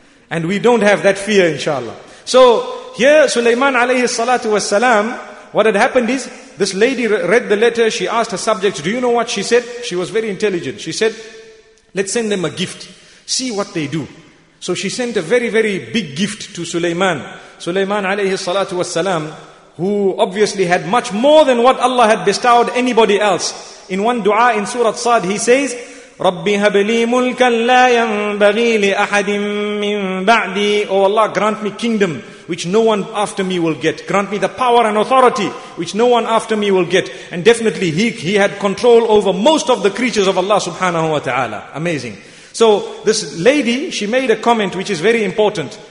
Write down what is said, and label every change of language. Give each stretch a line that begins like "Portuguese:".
English: And we don't have that fear, inshallah. So here, Sulaiman alayhi salatu wasalam, what had happened is, this lady read the letter, she asked her subjects, "Do you know what?" She said, she was very intelligent, she said, "Let's send them a gift, see what they do." So she sent a very, very big gift to Sulaiman. Sulaiman alayhi salatu wasalam, who obviously had much more than what Allah had bestowed anybody else. In one dua in Surah Sad, he says,
Arabic: رَبِّ هَبْ لِي مُلْكًا لَا يَنْبَغِي لِأَحَدٍ مِّن بَعْدِي.
English: Oh Allah, grant me kingdom which no one after me will get. Grant me the power and authority which no one after me will get. And definitely he had control over most of the creatures of Allah subhanahu wa ta'ala. Amazing. So this lady, she made a comment which is very important.